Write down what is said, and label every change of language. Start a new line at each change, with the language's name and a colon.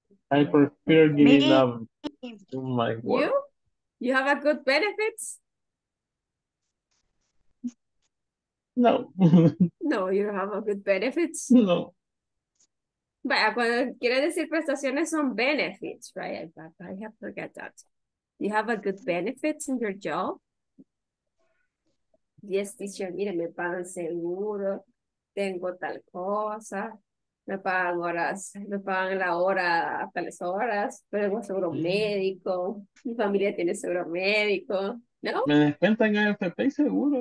English: I prefer giving them to my work. You have a good benefits? No. No, you don't have a good benefits? No.
Spanish: Vaya, cuando quiere decir prestaciones son
English: benefits, right? I have to forget that. You have a good benefits in your job? Yes, teacher,
Spanish: mire, me pagan seguro, tengo tal cosa, me pagan horas, me pagan la hora a tales horas, tengo seguro médico, mi familia tiene seguro médico, ¿no? Me descuentan el FP seguro.